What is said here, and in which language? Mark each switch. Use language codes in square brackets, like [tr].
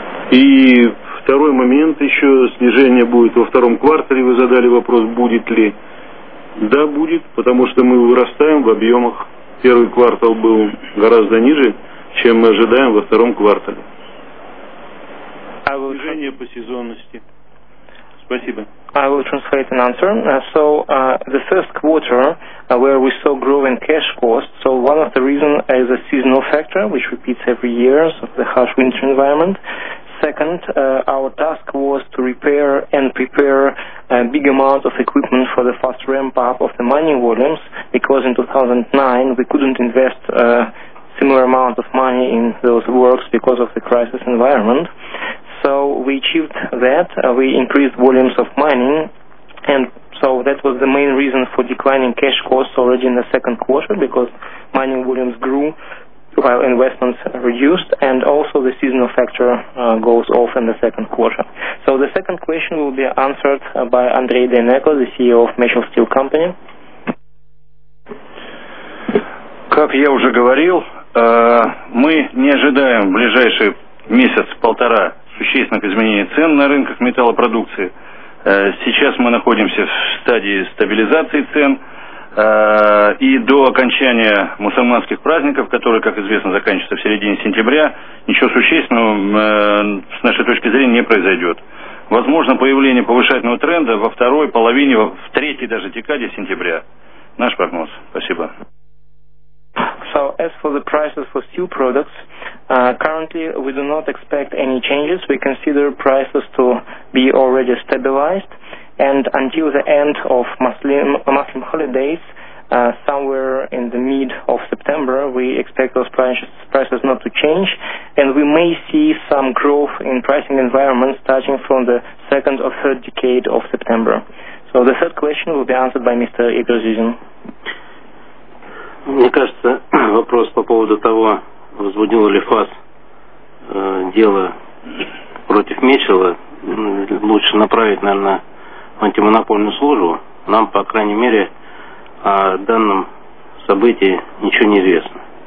[ru] И второй момент еще, снижение будет во втором квартале, вы задали вопрос, будет ли. Да, будет, потому что мы вырастаем в объемах. Первый квартал был гораздо ниже, чем мы ожидаем во втором квартале. Снижение по сезонности. Спасибо. [en] I will translate an answer. So the first quarter where we saw growth in cash costs, so one of the reasons is a seasonal factor which repeats every year, so the harsh winter environment. Second, our task was to repair and prepare a big amount of equipment for the fast ramp up of the mining volumes, because in 2009 we couldn't invest a similar amount of money in those works because of the crisis environment. So we achieved that, we increased volumes of mining, and so that was the main reason for declining cash costs already in the second quarter, because mining volumes grew while investments reduced, and also the seasonal factor goes off in the second quarter. So the second question will be answered by Andrei Deneko, the CEO of Mitchell Steel Company. [ru] Как я уже говорил, мы не ожидаем в ближайший месяц-полтора существенных изменений цен на рынках металлопродукции. Сейчас мы находимся в стадии стабилизации цен, и до окончания мусульманских праздников, которые, как известно, заканчиваются в середине сентября, ничего существенного, с нашей точки зрения, не произойдет. Возможно появление повышательного тренда во второй половине, в третьей даже декаде сентября. Наш прогноз. Спасибо. [en] So as for the prices for steel products, currently we do not expect any changes. We consider prices to be already stabilized, and until the end of Muslim holidays, somewhere in the mid of September, we expect those prices not to change, and we may see some growth in pricing environment starting from the second or third decade of September. So the third question will be answered by Mr. Igor Zizin. [ru] Мне кажется, вопрос по поводу того, возбудил ли ФАС дело против Мечела, лучше направить, наверное, в антимонопольную службу. Нам, по крайней мере, о данном событии ничего не известно.